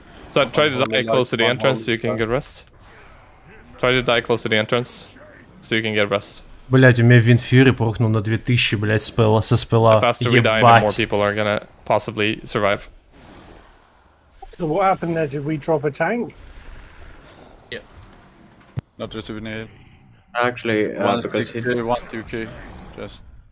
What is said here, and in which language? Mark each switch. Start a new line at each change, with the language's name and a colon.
English: So try to die close to the entrance so you can get rest. Try to die close to the entrance so you can get rest.
Russian: Блять, у меня Wind Fury прохнул на 2000, блять, спелла, со спелла.
English: The faster we die, the more people are gonna possibly survive. So what happened there? Did we drop a tank? Yeah. Not just a souvenir. Actually, because